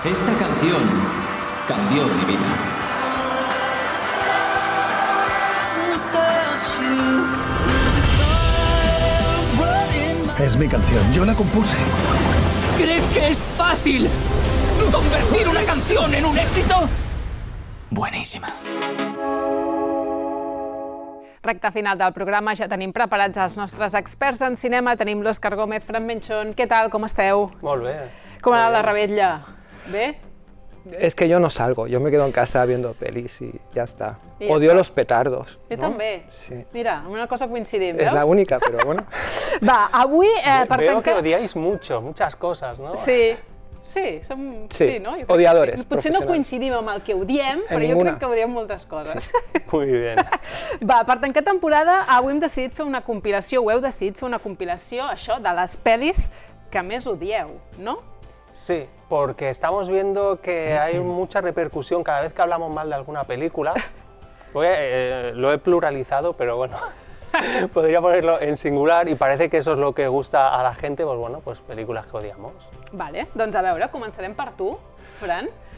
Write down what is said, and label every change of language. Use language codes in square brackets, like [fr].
[es] Esta canción cambió mi vida. Es mi canción, yo la compuse. ¿Crees que es fácil convertir una canción en un éxito? Buenísima. [ca] Recte final del programa, ja tenim preparats els nostres experts en cinema. Tenim l'Òscar Gómez, Fran Menchón. Què tal, com esteu? Molt bé. Com ha anat la revetlla? Bé? [es] Es que yo no salgo, yo me quedo en casa viendo pelis y ya está. Y odio está. Los petardos. Yo ¿no? también. Sí. Mira, una cosa coincidente. Es la única, pero bueno. [ca] Va, avui... per veo tancar... [es] que odiáis mucho, muchas cosas, ¿no? [ca] Sí, sí, som... [es] sí. Sí, ¿no? Odiadores. Sí. [ca] Potser no coincidim amb el que odiem, en però jo crec que odiem moltes coses. [es] Sí. Muy bien. [ca] Va, per tancar temporada, avui hem decidit fer una compilació, ho heu decidit fer una compilació, això, de les pelis que més odieu, no? Sí. [es] Porque estamos viendo que hay mucha repercusión cada vez que hablamos mal de alguna película. Lo he pluralizado, pero bueno, podría ponerlo en singular y parece que eso es lo que gusta a la gente, pues bueno, pues películas que odiamos. [ca] Vale, doncs a veure, començarem per tu, Fran.